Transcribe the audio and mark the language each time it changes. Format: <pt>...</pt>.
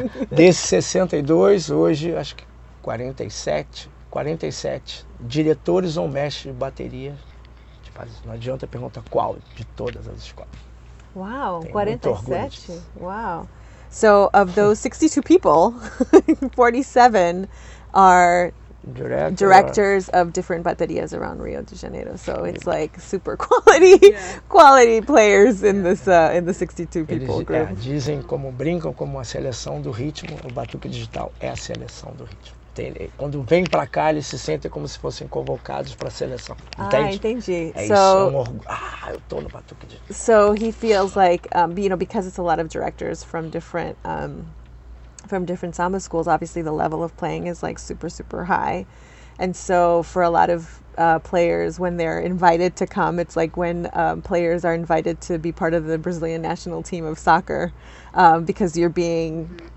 <pt>Desses 62, hoje, acho que 47 diretores ou mestres de bateria. Tipo, não adianta perguntar qual de todas as escolas.</pt> <en>Wow, 47? Wow. So of those 62 people, 47 are directors of different baterias around Rio de Janeiro. So it's like super quality players in the 62 people group.</en> <pt>Eles dizem, como brincam, como a seleção do ritmo, o batuque digital é a seleção do ritmo. Quando vem para cá, eles se sentem como se fossem convocados para a seleção. Entende? Ah, entendi. É</pt> <en>so,</en> <pt>isso, é eu tô no batuque digital.</pt> <en>So he feels like, you know, because it's a lot of directors from different samba schools, obviously the level of playing is like super, super high. And so for a lot of players, when they're invited to come, it's like when players are invited to be part of the Brazilian national team of soccer, because you're being...</en>